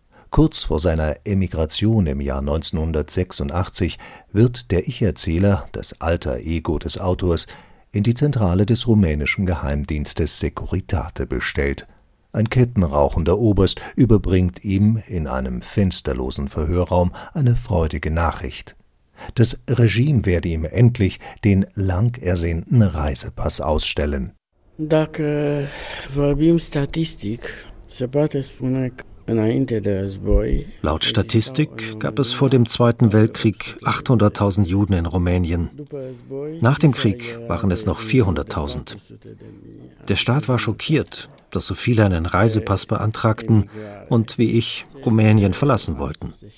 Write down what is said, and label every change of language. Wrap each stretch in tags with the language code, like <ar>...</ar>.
<de>Kurz vor seiner Emigration im Jahr 1986 wird der Ich-Erzähler, das alter Ego des Autors, in die Zentrale des rumänischen Geheimdienstes Securitate bestellt. Ein kettenrauchender Oberst überbringt ihm in einem fensterlosen Verhörraum eine freudige Nachricht. Das Regime werde ihm endlich den lang ersehnten Reisepass ausstellen.</de> <ro>Dacă vorbim statistic, se poate spune că înainte de război.</ro> <de>Laut Statistik gab es vor dem Zweiten Weltkrieg 800.000 Juden in Rumänien. Nach dem Krieg waren es noch 400.000. Der Staat war schockiert, dass so viele einen Reisepass beantragten und, wie ich, Rumänien verlassen wollten.</de>